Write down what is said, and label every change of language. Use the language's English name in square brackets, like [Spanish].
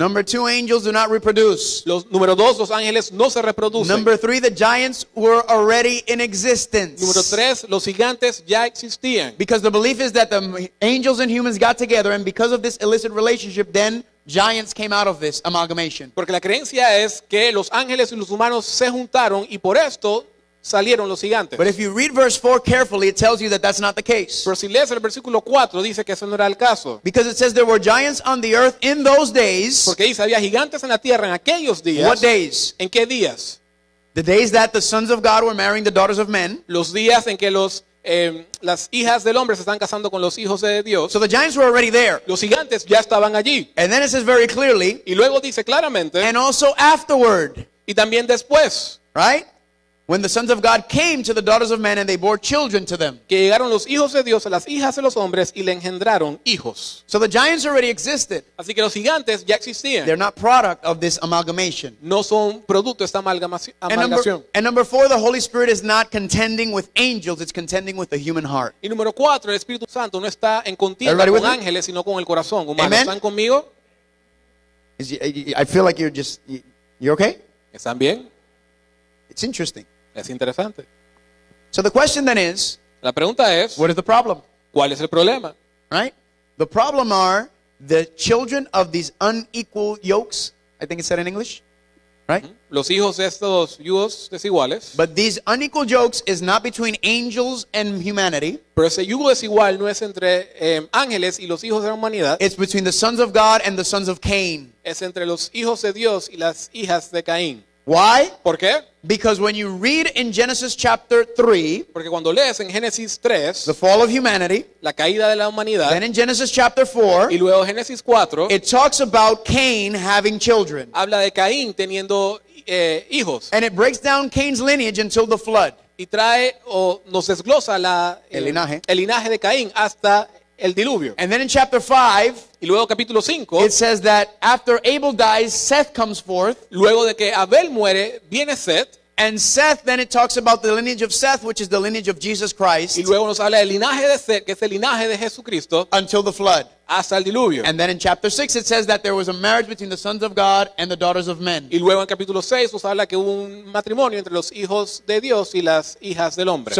[English] Number two, angels do not reproduce. [Spanish] Número dos, los ángeles no se reproducen. [English] Number three, the giants were already in existence. [Spanish] Número tres, los gigantes ya existían. [English] Because the belief is that the angels and humans got together and because of this illicit relationship, then giants came out of this amalgamation. [Spanish] Porque la creencia es que los ángeles y los humanos se juntaron y por esto salieron los gigantes. [English] But if you read verse 4 carefully, it tells you that that's not the case. [Spanish] Pero si lees el versículo 4, dice que eso no era el caso. [English] Because it says there were giants on the earth in those days. [Spanish] Porque dice había gigantes en la tierra en aquellos días. [English] What days? [Spanish] ¿En qué días? [English] The days that the sons of God were marrying the daughters of men. [Spanish] Los días en que las hijas del hombre se están casando con los hijos de Dios. [English] So the giants were already there. [Spanish] Los gigantes ya estaban allí. [English] And then it says very clearly. [Spanish] Y luego dice claramente. [English] And also afterward. [Spanish] Y también después. [English] Right? When the sons of God came to the daughters of men and they bore children to them. [Spanish] Que llegaron los hijos de Dios a las hijas de los hombres y le engendraron hijos. [English] So the giants already existed. [Spanish] Así que los gigantes ya existían. [English] They're not product of this amalgamation. [Spanish] No son producto de esta amalgamación. [English] And number four, the Holy Spirit is not contending with angels, it's contending with the human heart. [Spanish] Y número cuatro, el Espíritu Santo no está en contienda con ángeles, sino con el corazón humano. [English] Amen. [Spanish] ¿Están conmigo? [English] I feel like you're okay? [Spanish] ¿Están bien? [English] It's interesting. [Spanish] Es interesante. [English] So the question then is, [Spanish] la pregunta es, [English] what is the problem? [Spanish] ¿Cuál es el problema? [English] Right? The problem are the children of these unequal yokes, I think it said in English, right? [Spanish] Los hijos de estos yugos desiguales. [English] But these unequal yokes is not between angels and humanity. [Spanish] Pero ese yugo desigual no es entre ángeles y los hijos de la humanidad. [English] It's between the sons of God and the sons of Cain. [Spanish] Es entre los hijos de Dios y las hijas de Caín. [English] Why? [Spanish] ¿Por qué? [English] Because when you read in Genesis chapter 3, [Spanish] porque cuando lees en Génesis 3, [English] the fall of humanity, [Spanish] la caída de la humanidad, [English] then in Genesis chapter 4, [Spanish] y luego Génesis 4, [English] it talks about Cain having children. [Spanish] Habla de Caín teniendo hijos. [English] And it breaks down Cain's lineage until the flood. [Spanish] Y trae o nos desglosa la el linaje de Caín hasta el diluvio. [English] And then in chapter 5, [Spanish] y luego capítulo 5, [English] it says that after Abel dies, Seth comes forth. [Spanish] Luego de que Abel muere, viene Seth. [English] And Seth, then it talks about the lineage of Seth, which is the lineage of Jesus Christ. [Spanish] Y luego nos habla del linaje de Seth, que es el linaje de Jesucristo. [English] Until the flood. [Spanish] Hasta el diluvio. [English] And then in chapter 6, it says that there was a marriage between the sons of God and the daughters of men. [Spanish] Y luego en capítulo 6, nos habla que hubo un matrimonio entre los hijos de Dios y las hijas del hombre.